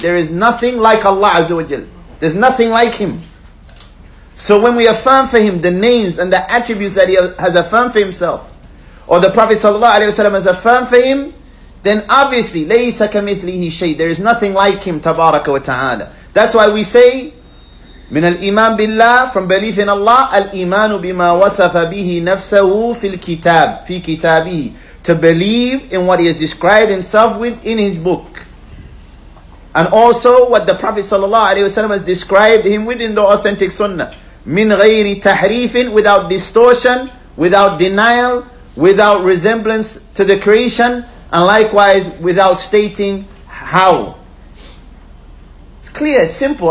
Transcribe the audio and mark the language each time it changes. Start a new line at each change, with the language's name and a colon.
English: There is nothing like Allah Azza wa Jal. There's nothing like Him. So when we affirm for Him the names and the attributes that He has affirmed for Himself, or the Prophet Sallallahu Alaihi Wasallam has affirmed for Him, then obviously,
Arabic: لَيْسَ كَمِثْلِهِ شَيْءٍ.
English: There is nothing like Him,
Arabic: تَبَارَكَ وَتَعَالَى.
English: That's why we say,
Arabic: مِنَ الْإِيمَانِ بِاللَّهِ,
English: from belief in Allah,
Arabic: الْإِيمَانُ بِمَا وَصَفَ بِهِ نَفْسَهُ فِي الْكِتَابِ فِي كِتَابِهِ.
English: To believe in what He has described Himself with in His book. And also what the Prophet sallallahu alaihi wasallam has described him within the authentic sunnah.
Arabic: Min ghayri tahreefin,
English: without distortion, without denial, without resemblance to the creation, and likewise without stating how. It's clear, simple.